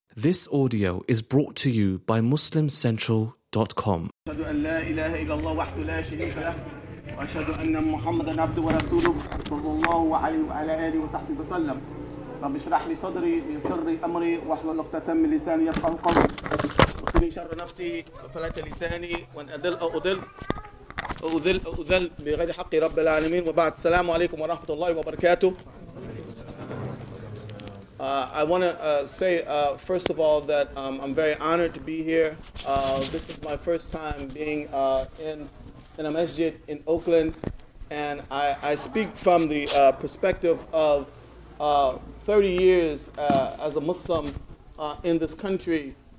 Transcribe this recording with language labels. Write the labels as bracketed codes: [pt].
[en] This audio is brought to you by MuslimCentral.com. [ar] أشهد أن لا إله إلا الله وحده لا شريك له وأشهد أن محمدا عبده ورسوله صلى الله عليه وعلى آله وصحبه وسلم رب اشرح لي صدري يسر أمري واحلل عقدة من لساني يفقهوا قولي واكفني من شر نفسي وفلات لساني وأن أدل أو أضل أذل بغير حق رب العالمين وبعد السلام عليكم ورحمة الله وبركاته. [en] I want to say, first of all, that I'm very honored to be here. This is my first time being in a masjid in Oakland, and I speak from the perspective of 30 years as a Muslim in this country.